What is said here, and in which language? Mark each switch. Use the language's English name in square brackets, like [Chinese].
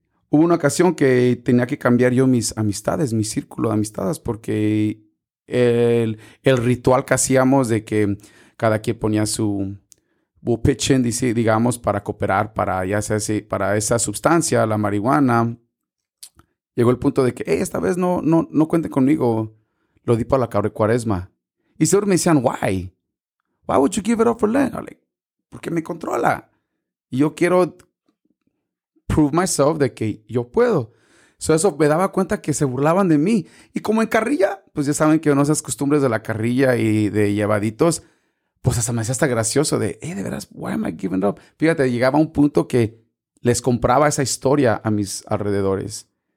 [Spanish] Hubo una ocasión que tenía que cambiar yo mis amistades, mi círculo de amistades, porque el ritual que hacíamos de que cada quien ponía su... [English] We'll pitch in, [Spanish] digamos, para cooperar para, ya sea así, para esa sustancia, la marihuana. Llegó el punto de que, hey, esta vez no cuenten conmigo. Lo di para la cabra de cuaresma. Y seguro me decían, [English] why? Why would you give it up for Lent? I'm like, [Spanish] porque me controla. Y yo quiero [English] prove myself [Spanish] de que yo puedo. So eso me daba cuenta que se burlaban de mí. Y como en carrilla, pues ya saben que no esas costumbres de la carrilla y de llevaditos. Pues hasta me hacía hasta gracioso de, hey, de veras, [English] why am I giving up? [Spanish] Fíjate, llegaba a un punto que les compraba esa historia a mis alrededores.